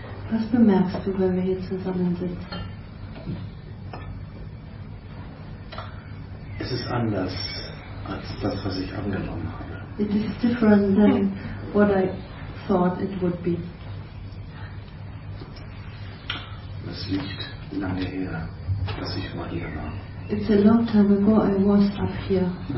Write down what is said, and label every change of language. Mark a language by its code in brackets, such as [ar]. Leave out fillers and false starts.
[de] Was bemerkst du, wenn wir hier zusammen sitzen? Es ist anders als das, was ich angenommen habe. [en] It is different than what I thought it would be. [de] Es liegt lange her, dass ich mal hier war. [en] It's a long time ago I was up here.